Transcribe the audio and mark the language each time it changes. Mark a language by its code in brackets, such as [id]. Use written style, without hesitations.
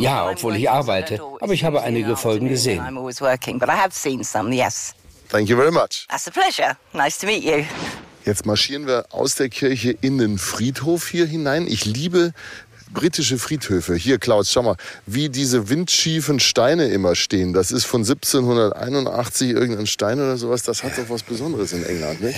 [de] Ja, obwohl ich arbeite, aber ich habe einige Folgen gesehen. [en] I'm always working, but I have seen some, yes. Thank you very much. That's a pleasure. Nice to meet you. [de] Jetzt marschieren wir aus der Kirche in den Friedhof hier hinein. Ich liebe britische Friedhöfe. Hier, Klaus, schau mal, wie diese windschiefen Steine immer stehen. Das ist von 1781 irgendein Stein oder sowas. Das hat doch was Besonderes in England, nicht?